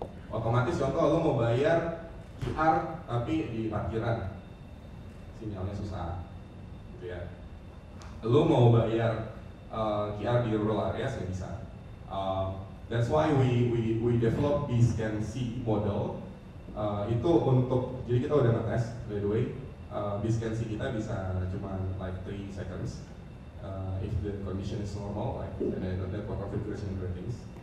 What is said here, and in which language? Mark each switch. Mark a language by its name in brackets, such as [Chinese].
[Indonesian] Otomatis contoh lu mau bayar QR tapi di parkiran sinyalnya susah, gitu ya. Lu mau bayar QR di [English] rural area [Indonesian] sih bisa. [English] That's why we develop B scan C model. [Indonesian] Itu untuk jadi kita udah ngetes [English] by the way. B scan C kita bisa cuma like 3 seconds if the condition is normal, like and then that configuration and things.